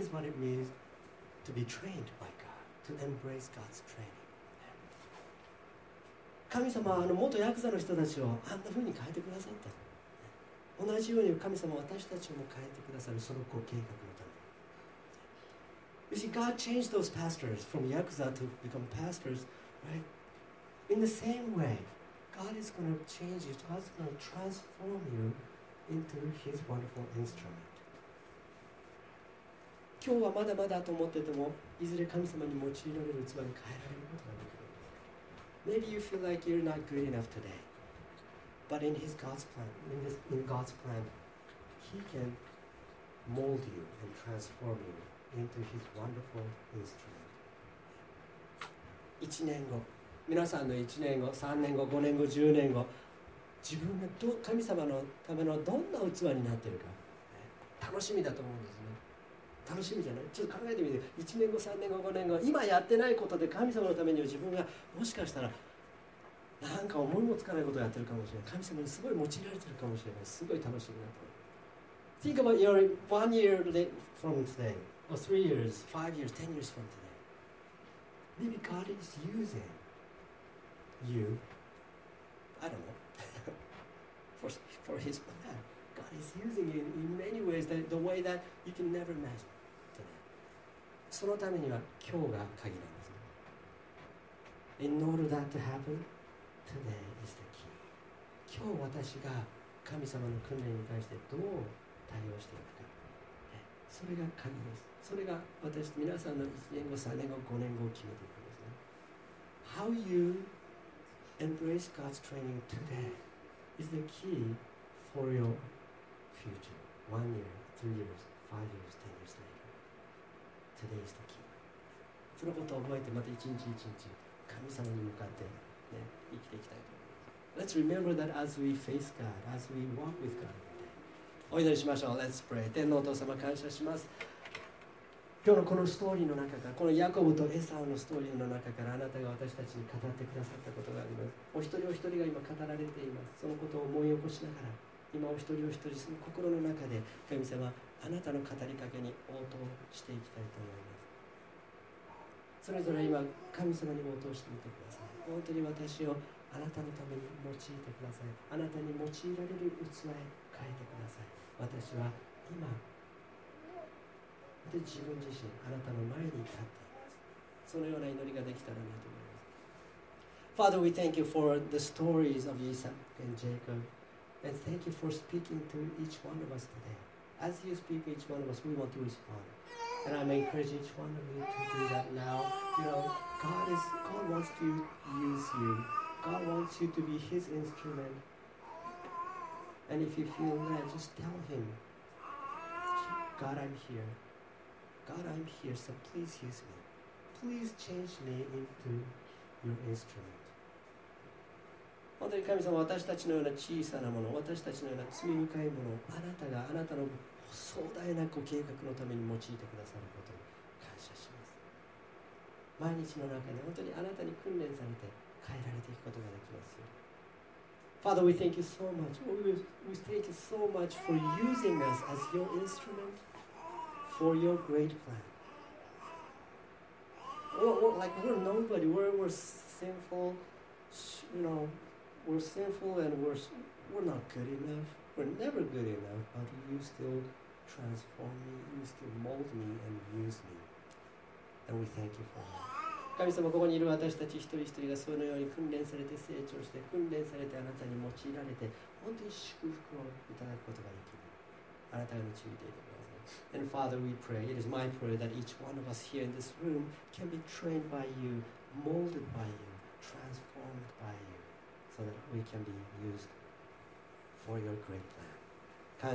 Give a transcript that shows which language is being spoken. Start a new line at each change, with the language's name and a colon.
English: This is what it means to be trained by God, to embrace God's training.
Japanese: 神様はあの元ヤクザの人たちをあんな風に変えてくださった。同じように神様は私たちも変えてくださるそのご計画のため。
English: You see, God changed those pastors from Yakuza to become pastors, right? In the same way, God is going to change you, God is going to transform you into His wonderful instrument.
Japanese: 今日はまだまだと思ってても、いずれ神様に用いられる器に変えられることができる。
English: Maybe you feel like you're not good enough today, but in His God's plan, in God's plan, He can mold you and transform you into His wonderful instrument.
Japanese: 1年後、皆さんの1年後、3年後、5年後、10年後、自分がど神様のためのどんな器になっているか、楽しみだと思うんですね。楽しみじゃない。ちょっと考えてみて、1年後、3年後、5年後、今やってないことで神様のために自分がもしかしたらなんか思いもつかないことをやってるかもしれない。神様にすごい用いられてるかもしれない。すごい楽しみだと思う。
English: Think about your 1 year from today, or 3 years, 5 years, 10 years from today. Maybe God is using you, I don't know, for His plan. God is using you in many ways that the way that you can never imagine today.
Japanese: そのためには今日が鍵なんですね。
English: In order that to happen, today is the key.
Japanese: 今日私が神様の訓練に対してどう対応していくか、それが鍵です。それが私と皆さんの1年後、3年後、5年後を決めていくんですね。
English: How you embrace God's training today is the key for your future. 1 year, 3 years, 5 years, 10 years later. Today is the key.
Japanese: そのことを覚えて、また一日一日、神様に向かって、ね、生きていきたいと思います。
English: Let's remember that as we face God, as we walk with God.
Japanese: お祈りしましょう。
English: Let's pray.
Japanese: 天のお父様、感謝します。今日のこのストーリーの中から、このヤコブとエサウのストーリーの中から、あなたが私たちに語ってくださったことがあります。お一人お一人が今語られています。そのことを思い起こしながら、今お一人お一人その心の中で、神様、あなたの語りかけに応答していきたいと思います。それぞれ今、神様に応答してみてください。本当に私をあなたのために用いてください。あなたに用いられる器へ。変えてください。私は今で自分自身あなたの前に立っています。そのような祈りができたらなと思います。
English: Father, we thank you for the stories of Isaac and Jacob, and thank you for speaking to each one of us today. As you speak to each one of us, we want to respond. And I encourage each one of you to do that now. You know, God wants to use you. God wants you to be His instrument. And if you feel that, just tell him, God, I'm here. God, I'm here, so please use me. Please change me into your instrument.
Japanese: 本当に神様、私たちのような小さなもの、私たちのような罪深いものを、あなたが、あなたの壮大なご計画のために用いてくださることに感謝します。毎日の中で本当にあなたに訓練されて変えられていくことができますよ。
English: Father, we thank you so much. We thank you so much for using us as your instrument for your great plan. We're nobody. We're sinful. You know, we're sinful and we're not good enough. We're never good enough, but you still transform me. You still mold me and use me. And we thank you for that.
Japanese: 神様、ここにいる私たち一人一人がそのように訓練されて成長して、訓練されてあなたに用いられて、本当に祝福をいただくことができる。あなたが導いていてください。
English: And Father, we pray, it is my prayer that each one of us here in this room can be trained by you, molded by you, transformed by you, so that we can be used for your great plan.